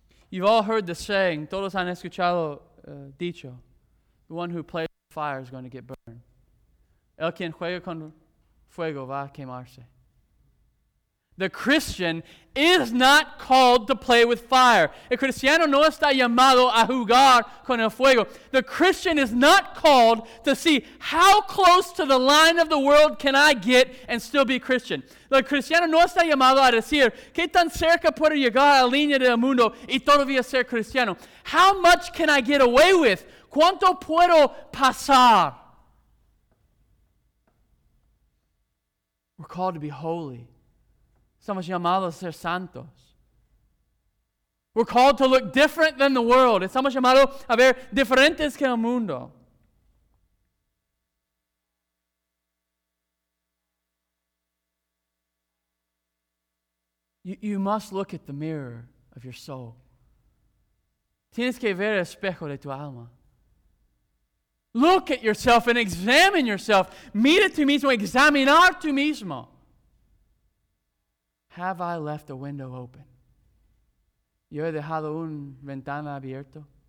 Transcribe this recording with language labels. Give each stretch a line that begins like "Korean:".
English: You've all heard the saying,
Spanish: todos han escuchado dicho,
English: the one who plays with fire is going to get burned.
Spanish: El quien juega con fuego va a quemarse.
English: The Christian is not called to play with fire.
Spanish: El cristiano no está llamado a jugar con el fuego.
English: The Christian is not called to see how close to the line of the world can I get and still be Christian.
Spanish: El cristiano no está llamado a decir, ¿qué tan cerca puedo llegar a la línea del mundo y todavía ser cristiano?
English: How much can I get away with?
Spanish: ¿Cuánto puedo pasar?
English: We're called to be holy.
Spanish: Estamos llamados a ser santos.
English: We're called to look different than the world.
Spanish: Estamos llamados a ver diferentes que el mundo.
English: You must look at the mirror of your soul.
Spanish: Tienes que ver el espejo de tu alma.
English: Look at yourself and examine yourself.
Spanish: Mira tú mismo, examinar tú mismo.
English: Have I left a window open?
Spanish: ¿Yo he dejado un ventana abierto?